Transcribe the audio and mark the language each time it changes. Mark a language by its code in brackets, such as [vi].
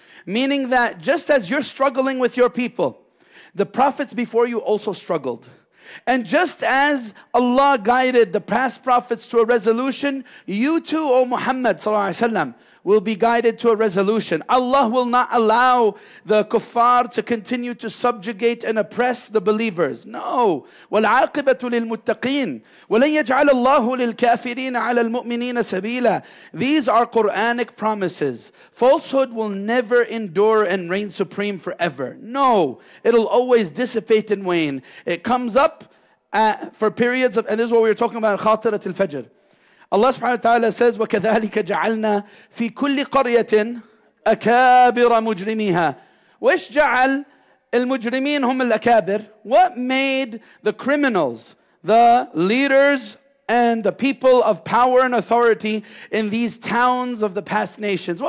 [en] Meaning that just as you're struggling with your people, the prophets before you also struggled. And just as Allah guided the past prophets to a resolution, you too, O Muhammad sallallahu alaihi wasallam, will be guided to a resolution. Allah will not allow the kuffar to continue to subjugate and oppress the believers. No. [ar] وَالْعَاقِبَةُ لِلْمُتَّقِينَ وَلَنْ يَجْعَلَ اللَّهُ لِلْكَافِرِينَ عَلَى الْمُؤْمِنِينَ سَبِيلًا [en] These are Quranic promises. Falsehood will never endure and reign supreme forever. No. It'll always dissipate and wane. It comes up for periods of, and this is what we were talking about in Khatirat al-Fajr. Allah subhanahu wa ta'ala says, [ar] وَكَذَلِكَ جَعَلْنَا فِي كُلِّ قَرْيَةٍ أَكَابِرَ مُجْرِمِيهَا وَيْشْ جَعَلْ الْمُجْرِمِينَ هُمْ الْأَكَابِرِ [en] What made the criminals, the leaders and the people of power and authority in these towns of the past nations?